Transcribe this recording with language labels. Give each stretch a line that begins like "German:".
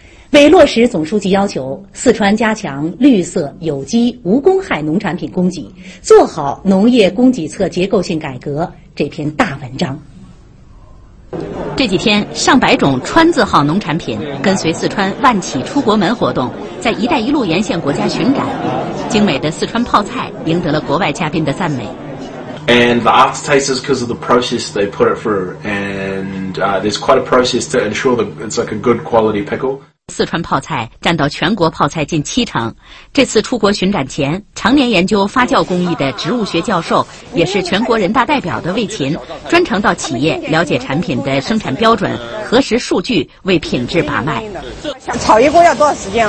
Chinese: 为落实总书记要求，四川加强绿色、有机、无公害农产品供给，做好农业供给侧结构性改革这篇大文章。这几天，上百种川字号农产品跟随四川万企出国门活动，在一带一路沿线国家巡展，精美的四川泡菜赢得了国外嘉宾的赞美。
English: And the aftertaste is because of the process they put it through, and there's quite a process to ensure that it's like a good quality pickle.
Chinese: 四川泡菜占到全国泡菜近70%。这次出国巡展前，常年研究发酵工艺的植物学教授，也是全国人大代表的魏琴，专程到企业了解产品的生产标准、核实数据，为品质把脉。炒一锅要多少时间？